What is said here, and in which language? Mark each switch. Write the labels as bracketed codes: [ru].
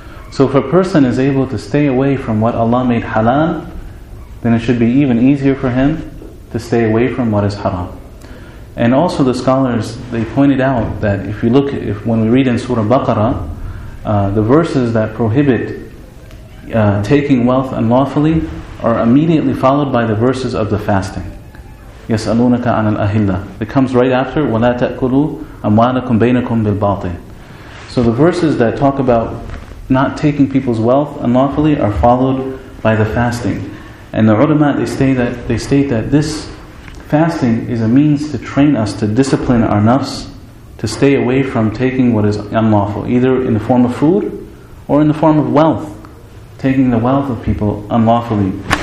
[en] So if a person is able to stay away from what Allah made halal, then it should be even easier for him to stay away from what is haram. And also the scholars, they pointed out that when we read in Surah Baqarah, the verses that prohibit taking wealth unlawfully are immediately followed by the verses of the fasting. [ar] يَسْأَلُونَكَ عَنَ الْأَهِلَّةِ. [en] It comes right after, [ar] وَلَا تَأْكُلُوا أَمْوَالَكُمْ بَيْنَكُمْ بِالْبَاطِلِ. [en] So the verses that talk about not taking people's wealth unlawfully are followed by the fasting. And the ulama, they state that this fasting is a means to train us to discipline our nafs to stay away from taking what is unlawful, either in the form of food or in the form of wealth, taking the wealth of people unlawfully.